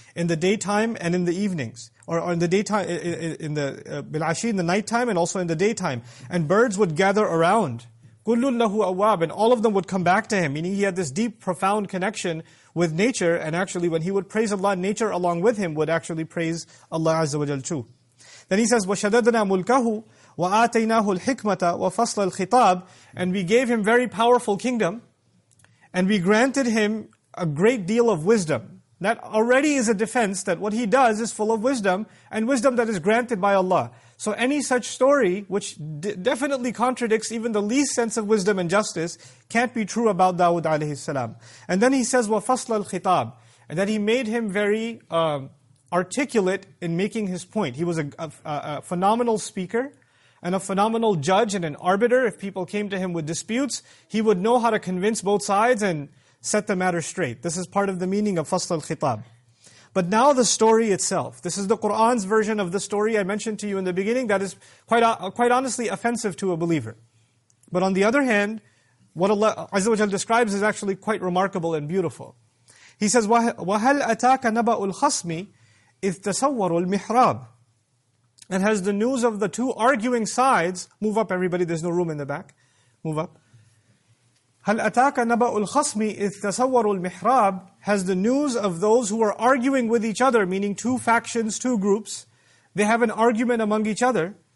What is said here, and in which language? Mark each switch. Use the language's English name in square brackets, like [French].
[English] In the daytime and in the evenings. Or in the daytime, in the bil-ashi, in the nighttime, and also in the daytime. And birds would gather around. [Arabic] Kullun lahu awwab. [English] And all of them would come back to Him. Meaning He had this deep, profound connection with nature. And actually when He would praise Allah, nature along with Him would actually praise Allah Azza wa Jalla too. Then He says, [Arabic] وَشَدَدْنَا مُلْكَهُ وَآتَيْنَاهُ الْحِكْمَةَ وَفَصْلَ الْخِطَابِ. [English] And we gave him very powerful kingdom, and we granted him a great deal of wisdom. That already is a defense that what he does is full of wisdom, and wisdom that is granted by Allah. So any such story, which definitely contradicts even the least sense of wisdom and justice, can't be true about Dawud alayhi salam. And then he says, [Arabic] وَفَصْلَ الْخِطَابِ, [English] and that he made him very articulate in making his point. He was a phenomenal speaker, and a phenomenal judge and an arbiter. If people came to him with disputes, he would know how to convince both sides and set the matter straight. This is part of the meaning of Fasl al-Khitab. But now the story itself. This is the Qur'an's version of the story I mentioned to you in the beginning that is quite honestly offensive to a believer. But on the other hand, what Allah Azza wa Jalla describes is actually quite remarkable and beautiful. He says, [Arabic] وَهَلْ أَتَاكَ نَبَأُ الْخَصْمِ إِذْ تَصَوَّرُوا الْمِحْرَابِ. [English] And has the news of the two arguing sides, move up everybody, there's no room in the back, move up. [Arabic] هَلْ أَتَاكَ نَبَأُ الْخَصْمِ إِذْ تَصَوَّرُوا الْمِحْرَابِ. [English] Has the news of those who are arguing with each other, meaning two factions, two groups, they have an argument among each other.